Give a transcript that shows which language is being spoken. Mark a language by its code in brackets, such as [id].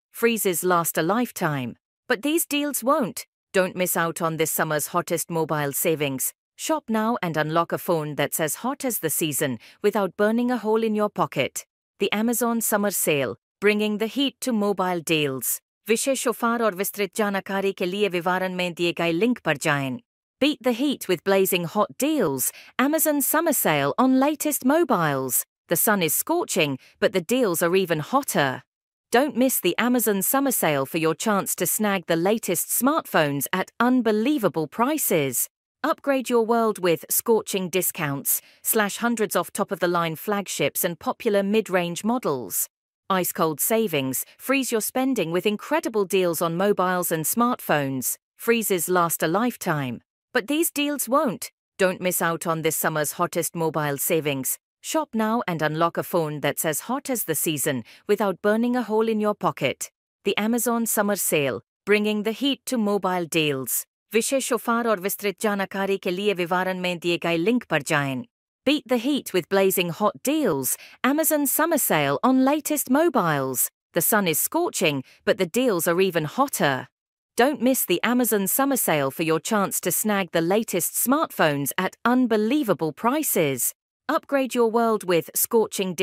[en] Freezes last a lifetime. But these deals won't. Don't miss out on this summer's hottest mobile savings. Shop now and unlock a phone that's as hot as the season without burning a hole in your pocket. The Amazon Summer Sale, bringing the heat to mobile deals. [hi] Wishes offer और विस्तृत जानकारी के लिए विवरण में दिए गए link पर जाएं. [en] Beat the heat with blazing hot deals, Amazon Summer Sale on latest mobiles. The sun is scorching, but the deals are even hotter. Don't miss the Amazon Summer Sale for your chance to snag the latest smartphones at unbelievable prices. Upgrade your world with scorching discounts, slash hundreds off top-of-the-line flagships and popular mid-range models. Ice-cold savings freeze your spending with incredible deals on mobiles and smartphones. Freezes last a lifetime. But these deals won't. Don't miss out on this summer's hottest mobile savings. Shop now and unlock a phone that's as hot as the season without burning a hole in your pocket. The Amazon Summer Sale, bringing the heat to mobile deals. [hi] Wishes offer और विस्तृत जानकारी के लिए विवरण में दिए गए link पर जाएं. [en] Beat the heat with blazing hot deals, Amazon Summer Sale on latest mobiles. The sun is scorching, but the deals are even hotter. Don't miss the Amazon Summer Sale for your chance to snag the latest smartphones at unbelievable prices. Upgrade your world with scorching deals.